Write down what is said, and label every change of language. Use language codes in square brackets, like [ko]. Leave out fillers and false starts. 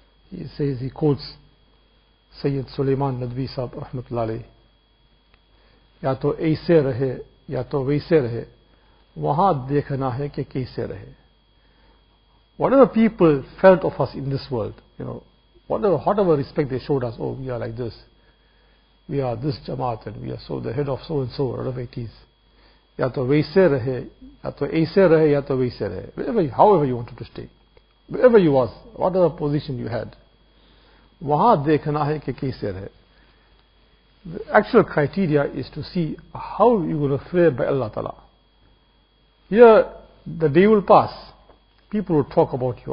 [en] He says, he quotes Syed Sulaiman Nadvi sahab رحمة الله عليه. [ur] یا تو ایسے رہے یا تو ویسے رہے, وہاں دیکھنا ہے کہ کیسے رہے. [en] Whatever people felt of us in this world, you know, whatever respect they showed us, oh, we are like this, we are this jamaat, and we are so the head of so and so, whatever it is. [ur] یا تو ویسے رہے, یا تو ایسے رہے, یا تو ویسے رہے. [en] Wherever, however you wanted to stay, wherever you was, whatever position you had, [ur] وہاں دیکھنا ہے کہ کیسے رہے. [en] The actual criteria is to see how you will fare by Allah Ta'ala. Here, the day will pass. People will talk about you.